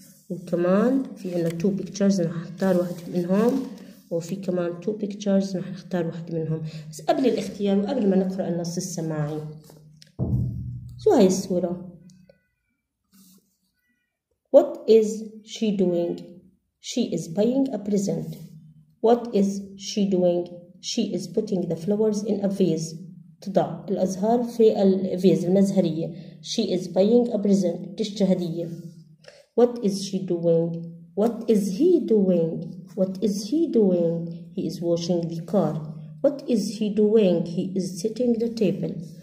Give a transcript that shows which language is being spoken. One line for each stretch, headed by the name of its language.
Arabic: وكمان في عنا
English: two pictures
Arabic: نختار واحدة منهم وفي كمان two pictures نختار واحدة منهم بس قبل الاختيار وقبل ما نقرأ النص السماعي شو هاي الصورة
English: What is she doing? She is buying a present. What is she doing? She is putting the flowers in a vase.
Arabic: تضع الأزهار في الفيز المزهرية.
English: She is buying a present.
Arabic: تشتري هدية.
English: What is she doing? What is he doing? What is he doing? He is washing the car. What is he doing? He is setting the table.